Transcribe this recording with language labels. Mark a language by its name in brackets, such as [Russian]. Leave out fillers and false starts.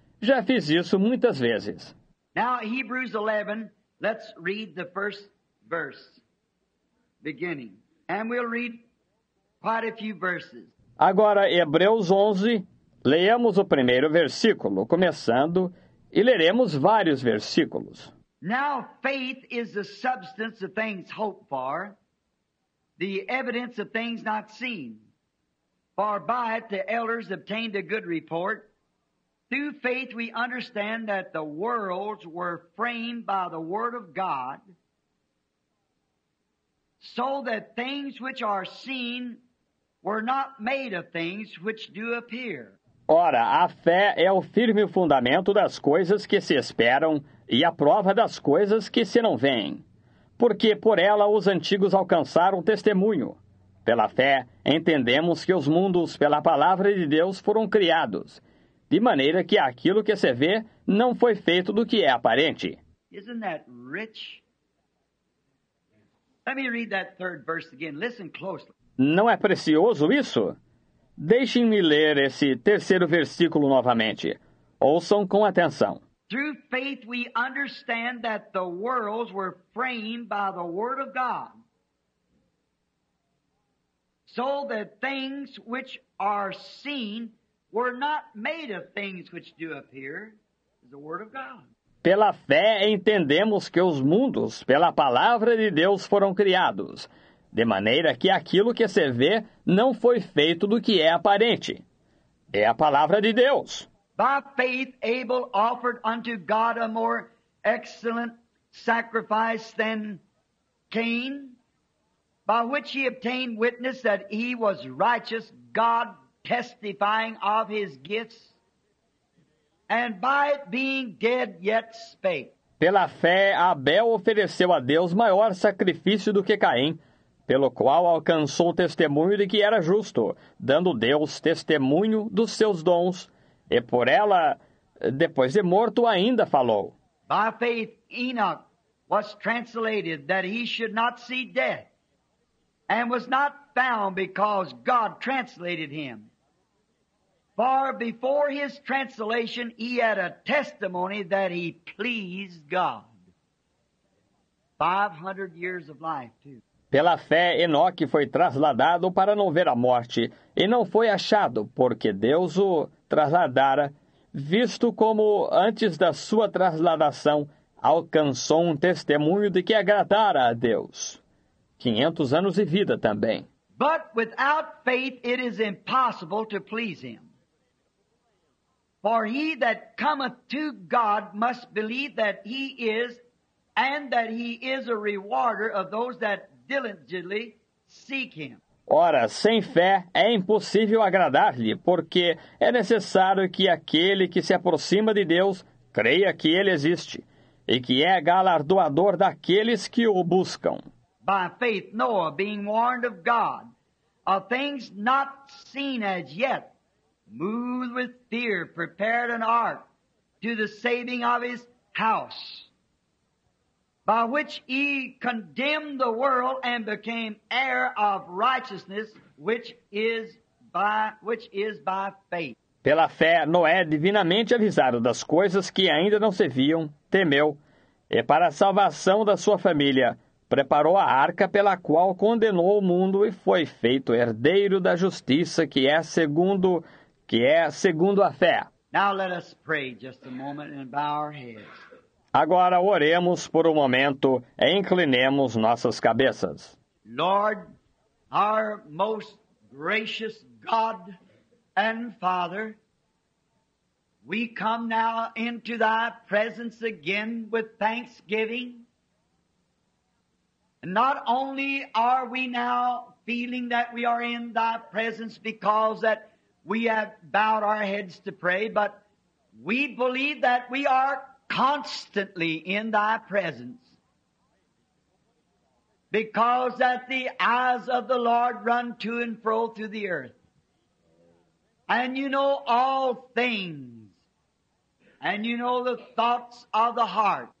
[Portuguese] Já fiz isso muitas vezes. [English] Now, Hebrews 11, let's read the first verse, beginning. And we'll read quite a few verses. [Portuguese] Agora, Hebreus 11, leamos o primeiro versículo, começando, e leremos vários versículos. [English] Now faith is the substance of things hoped for, the evidence of things not seen. For by it the elders obtained a good report. Through faith we understand that the worlds were framed by the word of God, so that things which are seen were not made of things which do appear. [Portuguese] Ora, a fé é o firme fundamento das coisas que se esperam e a prova das coisas que se não veem. Porque por ela os antigos alcançaram testemunho. Pela fé, entendemos que os mundos, pela palavra de Deus, foram criados, de maneira que aquilo que se vê não foi feito do que é aparente. [English] Isn't that rich? Let me read that third verse again. Listen closely. [Portuguese] Não é precioso isso? Deixem-me ler esse terceiro versículo novamente. Ouçam com atenção. [English] Through faith we understand that the worlds were framed by the word of God, so that things which are seen were not made of things which do appear, the word of God. [Portuguese] Pela fé entendemos que os mundos, pela palavra de Deus, foram criados, de maneira que aquilo que se vê não foi feito do que é aparente. É a palavra de Deus. [English] By faith Abel offered unto God a more excellent sacrifice than Cain, by which he obtained witness that he was righteous, God testifying of his gifts, and by it being dead yet spake. [Portuguese] Pela fé Abel ofereceu a Deus maior sacrifício do que Caim, pelo qual alcançou o testemunho de que era justo, dando Deus testemunho dos seus dons. E por ela, depois de morto, ainda falou. [English] By faith Enoch was translated that he should not see death, and was not found because God translated him. For before his translation he had a testimony that he pleased God. 500 years of life too. [Portuguese] Pela fé, Enoque foi trasladado para não ver a morte, e não foi achado, porque Deus o trasladara, visto como, antes da sua trasladação, alcançou um testemunho de que agradara a Deus. 500 anos de vida também. [English] But without faith it is impossible to please him. For he that cometh to God must believe that he is, and that he is a rewarder of those that diligently seek him. [Portuguese] Ora, sem fé é impossível agradar-lhe, porque é necessário que aquele que se aproxima de Deus creia que ele existe e que é galardoador daqueles que o buscam. [English] By faith Noah, being warned of God of things not seen as yet, moved with fear, prepared an ark to the saving of his house, by which he condemned the world and became heir of righteousness, which is by faith. [Portuguese] Pela fé, Noé, divinamente avisado das coisas que ainda não se viam, temeu, e para a salvação da sua família, preparou a arca pela qual condenou o mundo e foi feito herdeiro da justiça que é segundo a fé. [English] Now let us pray just a moment and bow our heads. [Portuguese] Agora oremos por um momento e inclinemos nossas cabeças. [English] Lord, our most gracious God and Father, we come now into thy presence again with thanksgiving. Not only are we now feeling that we are in thy presence because that we have bowed our heads to pray, but we believe that we are constantly in thy presence, because that the eyes of the Lord run to and fro through the earth, and you know all things, and you know the thoughts of the heart.